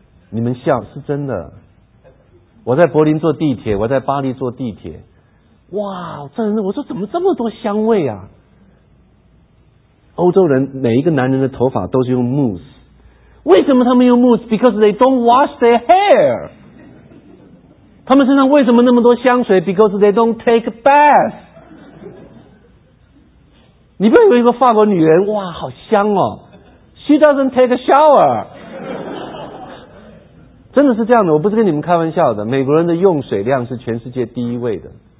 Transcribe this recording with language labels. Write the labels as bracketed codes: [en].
[zh] 你们笑是真的，我在柏林坐地铁，我在巴黎坐地铁，哇，真的，我说怎么这么多香味啊。欧洲人每一个男人的头发都是用 mousse， 为什么他们用 mousse？ [en] Because they don't wash their hair。 [zh] 他们身上为什么那么多香水？ [en] Because they don't take bath。 [zh] 你不要以为一个法国女人哇好香哦， [en] She doesn't take a shower。 [zh] 真的是这样的，我不是跟你们开玩笑的，美国人的用水量是全世界第一位的。